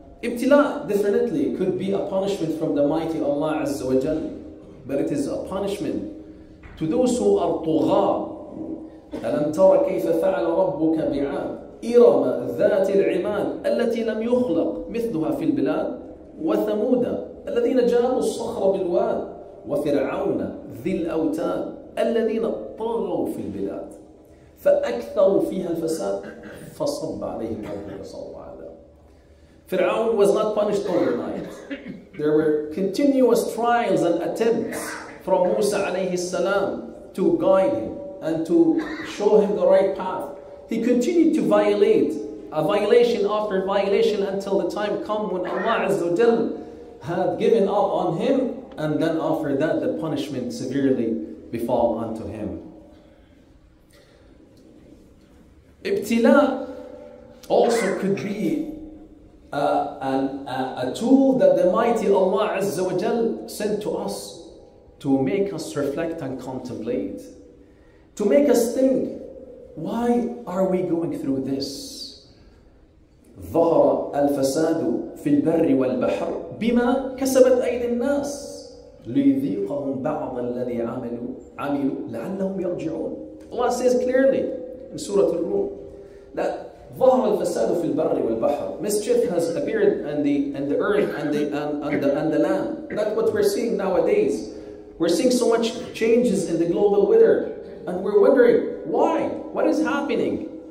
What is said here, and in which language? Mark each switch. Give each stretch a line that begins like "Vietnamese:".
English: Ibtila definitely could be a punishment from the mighty Allah Azza wa Jal, but it is a punishment to those who are طغاة.
Arabic: أَلَمْ تَرَ كَيْفَ فَعَلَ رَبُّكَ بِعَادٍ إِرَمَ ذَاتِ الْعِمَادِ الَّتِي لَمْ يُخْلَقْ مِثْلُهَا فِي الْبِلَادِ وَثَمُودَ الَّذِينَ جَابُوا الصَّخْرَ بِالْوَادِ وَفِرْعَوْنَ ذِي الْأَوْتَادِ الَّذِينَ طَغَوْا فِي الْبِلَادِ فَأَكْثَرُوا فِيهَا الْفَسَادِ فَصَبَّ عَلَيْهِمْ رَبُّكَ صَبًّا عَذَابًا
English: Fir'aun was not punished overnight. There were continuous trials and attempts from Musa alayhi salam to guide him and to show him the right path. He continued to violate, a violation after violation, until the time come when Allah Azza wa Jal had given up on him, and then after that the punishment severely befall unto him. Ibtila also could be a tool that the mighty Allah Azza wa Jal sent to us to make us reflect and contemplate, to make us think, why are we going through this?
Arabic: ظهر الفساد في البر والبحر بما كسبت أيدي الناس ليذيقهم بعض الذي عملوا لعلهم يرجعون.
English: Allah says clearly in Surah Al-Rum that
Arabic: ظهر الفساد في البر والبحر.
English: Mischief has appeared in the earth and the land. That's what we're seeing nowadays. We're seeing so much changes in the global weather, and we're wondering why, what is happening.